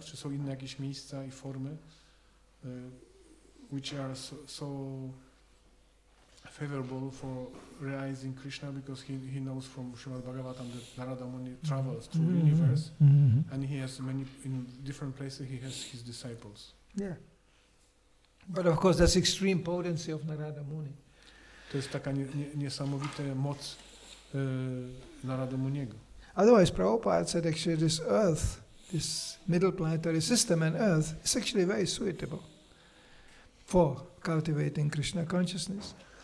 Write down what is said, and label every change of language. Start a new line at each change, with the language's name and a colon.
Polish: Czy są inne jakieś miejsca i formy,
English: which are so favorable for realizing Krishna, because he knows from Srimad Bhagavatam that Narada Muni travels through the universe, and he has many, in different places he has his disciples. Yeah. But of course that's extreme potency of Narada Muni.
Polish: To jest taka niesamowita moc Narada Muniego.
English: Otherwise Prabhupada said actually this earth, this middle planetary system and earth is actually very suitable for cultivating Krishna consciousness.